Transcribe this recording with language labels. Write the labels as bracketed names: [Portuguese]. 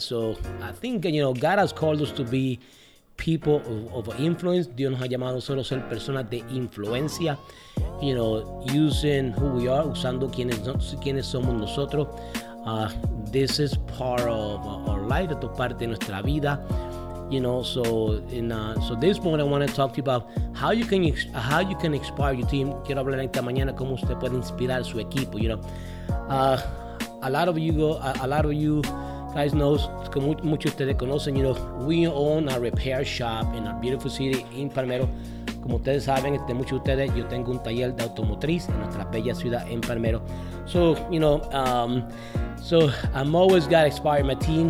[English] So I think, you know, God has called us to be people of influence. [Spanish] Dios nos ha llamado solo a ser personas de influencia. [English] You know, using who we are, [Spanish] usando quienes somos nosotros. [English] This is part of our life. [Spanish] Esto es parte de nuestra vida. [English] You know, so this morning I want to talk to you about how you can inspire your team. [Spanish] Quiero hablar esta mañana cómo usted puede inspirar su equipo. [English] You know, a lot of you guys knows, [Spanish] muchos de ustedes conocen. [English] You know, we own a repair shop in a beautiful city in Palmero. [Spanish] Como ustedes saben, muchos de ustedes, yo tengo un taller de automotriz en nuestra bella ciudad en Palmero. [English] So, you know, I'm always got to inspire my team.